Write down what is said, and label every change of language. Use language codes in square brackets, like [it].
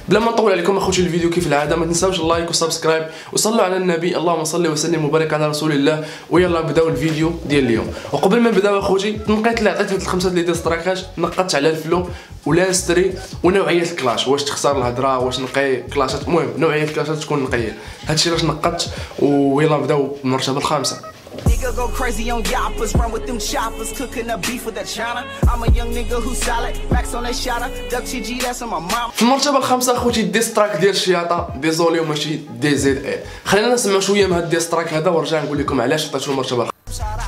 [ar] بلا ما نطول عليكم اخوتي الفيديو كيف العاده، ما تنساوش اللايك وسبسكرايب وصلوا على النبي، اللهم صل وسلم وبارك على رسول الله، ويلا نبداو الفيديو ديال اليوم. وقبل ما نبداو اخوتي، نقيت اللي عطيت هاد الخمسه ديال الديستراكات، نقدت على الفلو ولا ستري ونوعيه الكلاش، واش تخسر الهضره واش نقي كلاشات، المهم نوعيه الكلاشات تكون نقيه. هادشي علاش نقدت ويلا نبداو المرتبه الخامسه. [en] Nigga go crazy on yappers, run with them choppers, cooking up beef with that china. I'm a young nigga who solid, max on that shotter, duck TG, that's on my mom. [ar] في المرتبة الخامسة اخوتي ديستراك ديال شياطة ديزولي وماشي دي زد اي. خلينا نسمع شوية من هاد ديستراك هذا ورجع نقول لكم علاش عطيتو المرتبة الخامسة.